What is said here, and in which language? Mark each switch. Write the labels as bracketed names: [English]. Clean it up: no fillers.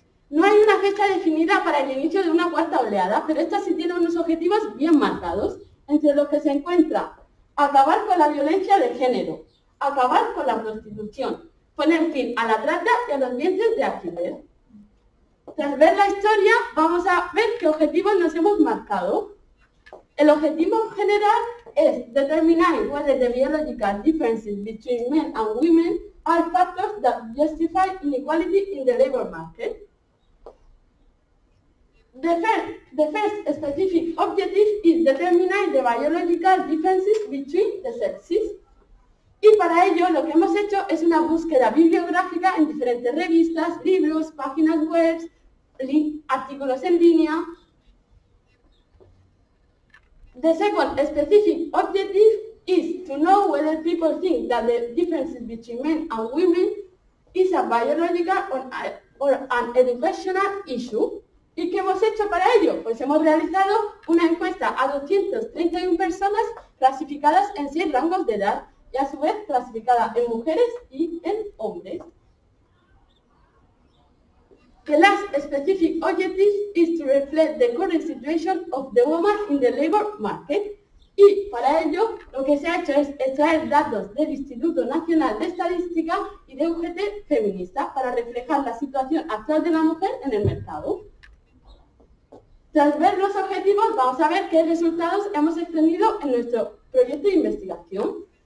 [Spanish] No hay una fecha definida para el inicio de una cuarta oleada, pero esta sí tiene unos objetivos bien marcados, entre los que se encuentra acabar con la violencia de género, acabar con la prostitución, poner fin a la trata y a los vientres de alquiler. Tras ver la historia, vamos a ver qué objetivos nos hemos marcado. El objetivo general es determinar iguales de [English] biological differences between men and women are factors that justify inequality in the labor market. The first specific objective is determining the biological differences between the sexes. [Spanish] Y para ello lo que hemos hecho es una búsqueda bibliográfica en diferentes revistas, libros, páginas web, artículos en línea. [English] The second specific objective is to know whether people think that the differences between men and women is a biological or an educational issue. [Spanish] ¿Y qué hemos hecho para ello? Pues hemos realizado una encuesta a 231 personas clasificadas en 6 rangos de edad y a su vez clasificada en mujeres y en hombres. [English] The last specific objective is to reflect the current situation of the woman in the labor market. [Spanish] Y para ello lo que se ha hecho es extraer datos del Instituto Nacional de Estadística y de UGT Feminista para reflejar la situación actual de la mujer en el mercado. Tras ver los objetivos, vamos a ver qué resultados hemos extraído en nuestro proyecto de investigación.